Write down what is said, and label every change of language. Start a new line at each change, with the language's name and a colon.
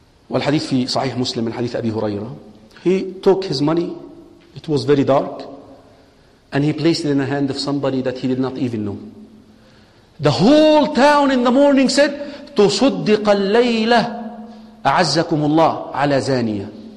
Arabic: والحديث في صحيح مسلم من حديث أبي هريرة.
English: He took his money. It was very dark. And he placed it in the hand of somebody that he did not even know. The whole town in the morning said,
Arabic: تصدق الليلة أعزكم الله على زانية.